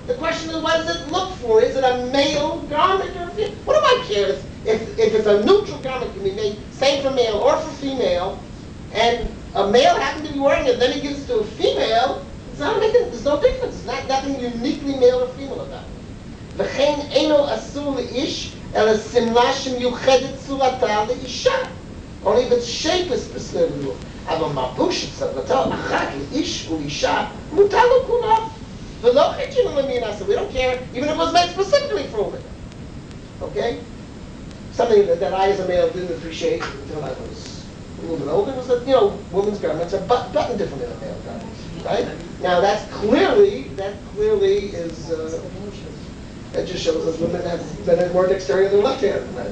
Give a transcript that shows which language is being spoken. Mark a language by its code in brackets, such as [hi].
[en] The question is, what does it look for? Is it a male garment or a female? What do I care if it's a neutral garment can be made, same for male or for female, and a male happened to be wearing it, then he gives it to a female, it's not making, there's no difference. It's nothing uniquely male or female about it. [he] וכן אינו אסור לאיש, אלא שמלה שמיוחדת צורתה לאישה. [en] Only if its shape is specific. [he] אבל מבוש צוותו אחת לאיש ולאישה מותר לו כולו. ולא חיצינו למינה, [en] so we don't care, even if it was made specifically for women. Okay? Something that I as a male didn't appreciate until I was a little bit older was that, you know, women's garments are button different than a male garment. Right? Now that clearly is, that just shows us women have been at more dexterity in their left hand.